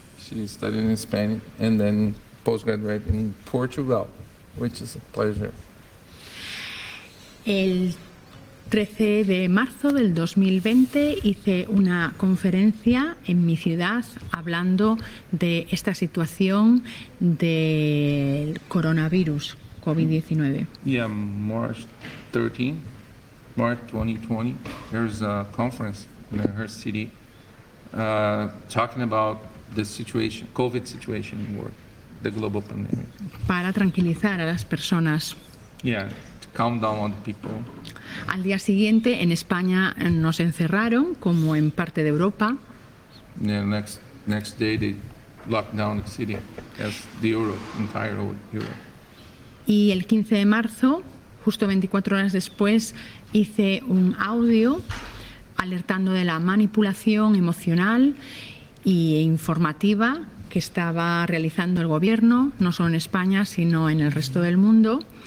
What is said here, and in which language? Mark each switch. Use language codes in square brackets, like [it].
[en] She studied in Spain and then postgraduate in Portugal, which is a pleasure. [es] El 13 de marzo del 2020 hice una conferencia en mi ciudad hablando de esta situación del coronavirus COVID-19. [en] Yeah, March 2020, there's a conference in her city talking about the situation, COVID situation in the world, the global pandemic. [es] Para tranquilizar a las personas. [en] Yeah. Calm down on people. [es] Al día siguiente en España nos encerraron como en parte de Europa. [en] Yeah, next day they locked down the city as the Europe, entire Europe. [es] Y el 15 de marzo, justo 24 horas después, hice un audio alertando de la manipulación emocional e informativa que estaba realizando el gobierno, no solo en España, sino en el resto del mundo.